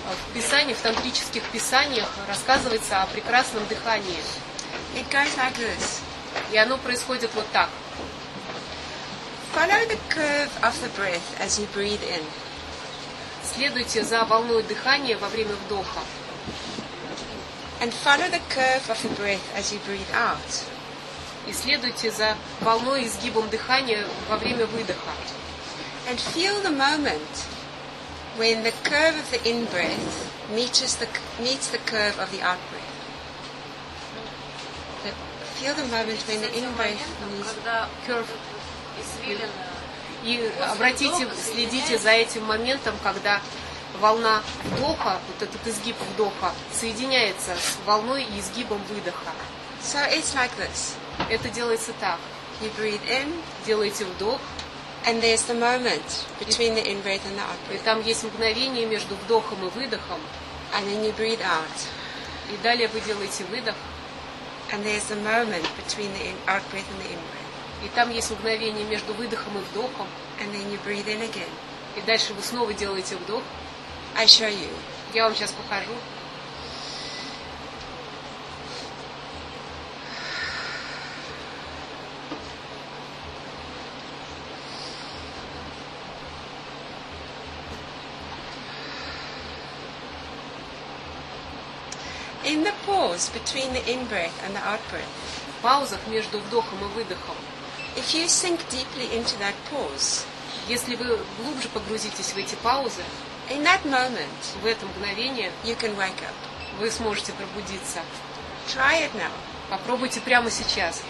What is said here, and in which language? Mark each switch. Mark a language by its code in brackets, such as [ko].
[ru] В писании, в тантрических писаниях рассказывается о прекрасном дыхании. [en] It goes like this. [ru] И оно происходит вот так. [en] Follow the curve of the breath as you breathe in. [ru] Следуйте за волной дыхания во время вдоха. [en] And follow the curve of the breath as you breathe out. [ru] И следуйте за волной, изгибом дыхания во время выдоха. [en] And feel the moment when the curve of the in-breath meets the curve of the out-breath. Feel the moment when the in-breath meets the curve. [ru] И обратите, следите за этим моментом, когда волна вдоха, вот этот изгиб вдоха, соединяется с волной и изгибом выдоха. [en] So it's like this. [ru] Это делается так. [en] You breathe in, [ru] делаете вдох, [en] and there's the moment between the in-breath and the out-breath. [ru] И там есть мгновение между вдохом и выдохом. [en] And then you breathe out. [ru] И далее вы делаете выдох. [en] And there's the moment between the out-breath and the in-breath. [ru] И там есть мгновение между выдохом и вдохом. [en] And then you breathe in again. [ru] И дальше вы снова делаете вдох. [en] I show you. [ru] Я вам сейчас покажу. [en] It in the pause between the in-breath and the out-breath, [ru] паузах между вдохом и выдохом, [en] if you sink deeply into that pause, [ru] если вы глубже погрузитесь в эти паузы, [en] in that moment, [ru] в это мгновение, [en] you can wake up. [ru] Вы сможете пробудиться. [en] Try it now. [ru] Попробуйте прямо сейчас.